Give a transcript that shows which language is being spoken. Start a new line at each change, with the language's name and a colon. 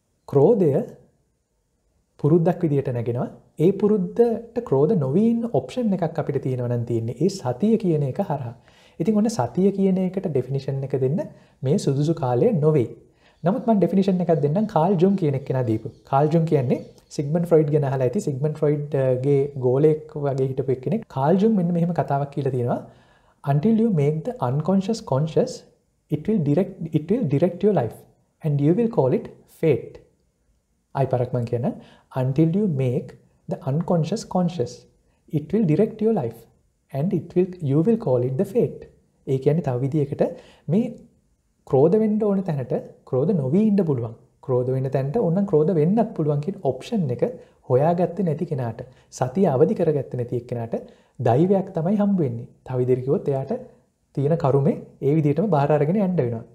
Sinhala: ක්‍රෝධය පුරුද්දක් විදියට නැගෙනවා. ඒ පුරුද්දට ක්‍රෝධ නොවීන ඔප්ෂන් එකක් අපිට තියෙනවා නම් තියෙන්නේ ඒ සතිය කියන එක හරහා. ඉතින් ඔන්න සතිය කියන එකට definition එක දෙන්න මේ සුදුසු කාලය නොවේ. නමුත් මම ඩෙෆිනිෂන් එකක් දෙන්නම්. කාල් ජුම් කියන එක්කෙනා දීපු. කාල් ජුම් කියන්නේ සිග්මන් ෆ්‍රොයිඩ් ගැන අහලා ඇති. සිග්මන් ෆ්‍රොයිඩ්ගේ ගෝලයෙක් වගේ හිටපු එක්කෙනෙක්. කාල් ජුම් මෙන්න මෙහෙම කතාවක් කියලා තියෙනවා.
English: Until you make the unconscious conscious, it will direct your life and you will call it fate.
Sinhala: අයි පරක් මං කියන.
English: Until you make the unconscious conscious, it will direct your life and you will call it the fate.
Sinhala: ඒ කියන්නේ තව විදිහකට මේ ක්‍රෝධ වෙන්න ඕන තැනට ක්‍රෝධ නොවී ඉන්න පුළුවන්. ක්‍රෝධ වෙන්න තැනට ඕනනම් ක්‍රෝධ වෙන්නත් පුළුවන් කියන ඔප්ෂන් එක හොයාගත්තේ නැති කෙනාට, සතිය අවදි කරගත්තේ නැති එක්කෙනාට දෛවයක් තමයි හම්බ වෙන්නේ. තව ඉදිරිය කිව්වොත් එයාට තියෙන කරුමේ ඒ විදිහටම බාහිර අරගෙන යන්න වෙනවා.